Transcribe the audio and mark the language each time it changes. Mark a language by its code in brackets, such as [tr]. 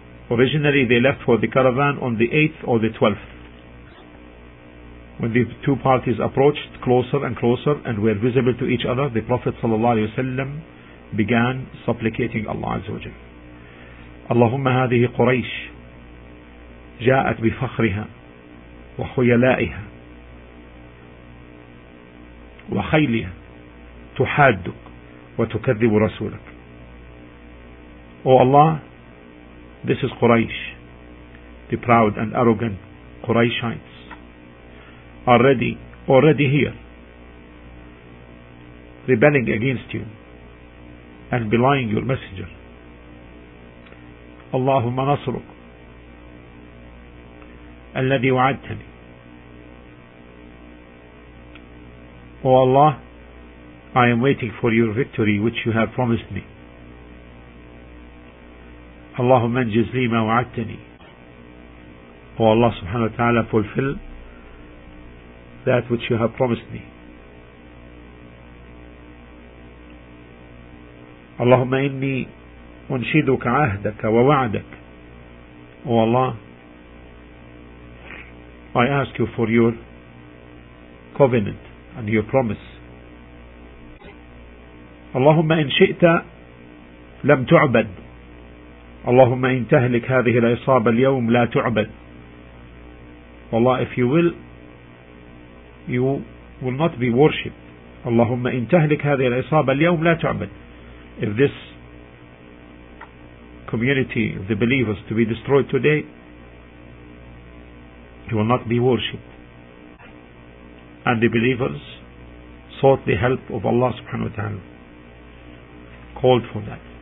[en] Originally they left for the caravan on the 8th or the 12th. When the two parties approached closer and closer and were visible to each other, the Prophet ﷺ began supplicating Allah Azza wa Jal. [ar] اللهم هذه قريش جاءت بفخرها وخيلائها وخيلها تحادك وتكذب رسولك. [en] Oh Allah, this is Quraysh, the proud and arrogant Qurayshites, already here, rebelling against you and belying your messenger. [ar] اللهم نصرك الذي وعدتني. [en] O Allah, I am waiting for your victory which you have promised me. [ar] اللهم انجز لي ما وعدتني. [en] O Allah subhanahu wa ta'ala, fulfill that which you have promised me. [ar] اللهم اني انشدك عهدك ووعدك. [en] O Allah, I ask you for your covenant and your promise. [ar] اللهم إن شئت لم تعبد. اللهم إن تهلك هذه العصابة اليوم لا تعبد. [en] Allah, if you will, you will not be worshipped. [ar] اللهم إن تهلك هذه العصابة اليوم لا تعبد. [en] If this community of the believers to be destroyed today, you will not be worshipped. And the believers sought the help of Allah subhanahu wa ta'ala, called for that.